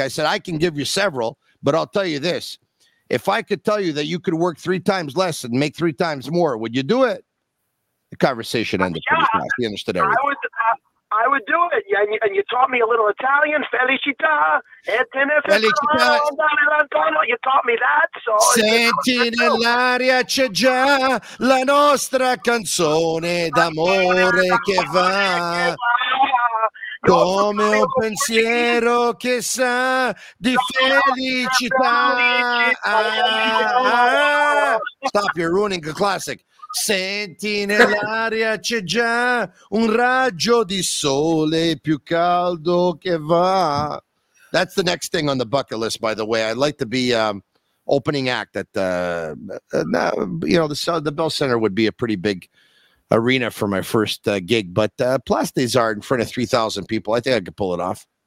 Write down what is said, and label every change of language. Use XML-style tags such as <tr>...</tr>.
<en>I said, I can give you several, but I'll tell you this. If I could tell you that you could work three times less and make three times more, would you do it? The conversation ended pretty fast. He understood everything. I would do it. Yeah, and you taught me a little Italian.</en> <it>Felicità. Felicità.</it> <en>You taught me that. So,</en> <it>senti nell'aria c'è già la nostra canzone d'amore che va. Come un pensiero che sa di felicità.</it> <en>Stop, you're ruining the classic.</en> <it>Senti nell'aria c'è già un raggio di sole più caldo che va.</it> <en>That's the next thing on the bucket list, by the way. I'd like to be opening act at the Bell Center would be a pretty big arena for my first gig, but Place des Arts in front of 3,000 people, I think I could pull it off.</en>